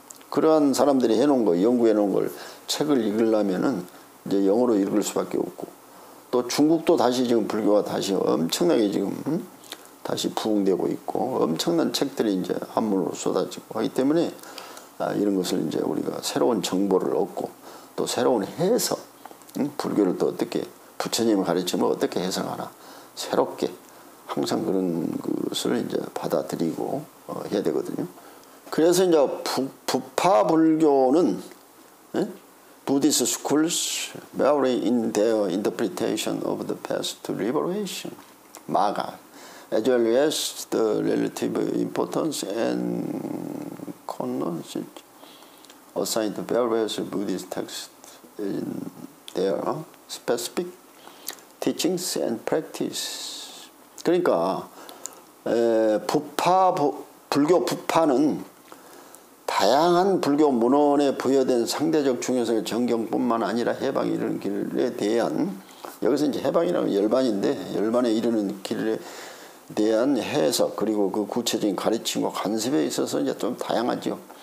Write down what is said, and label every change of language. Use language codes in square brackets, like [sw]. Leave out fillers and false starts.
[ko] 그러한 사람들이 해놓은 거, 연구해놓은 걸 책을 읽으려면은 이제 영어로 읽을 수밖에 없고, 또 중국도 다시 지금 불교가 다시 엄청나게 지금 다시 부흥되고 있고 엄청난 책들이 이제 한문으로 쏟아지고 하기 때문에 이런 것을 이제 우리가 새로운 정보를 얻고 또 새로운 해석, 불교를 또 어떻게 부처님 가르침을 어떻게 해석하나 새롭게 항상 그런 것을 이제 받아들이고 해야 되거든요. 그래서 이제 부파 불교는 [en] Buddhist schools vary in their interpretation of the path to liberation, Magga, as well as the relative importance and connotation assigned to various Buddhist texts in their specific teachings and practices. [ko] 그러니까 불교 부파는 다양한 불교 문헌에 부여된 상대적 중요성의 정경뿐만 아니라 해방에 이르는 길에 대한, 여기서 이제 해방이라면 열반인데 열반에 이르는 길에 대한 해석, 그리고 그 구체적인 가르침과 관습에 있어서 이제 좀 다양하죠.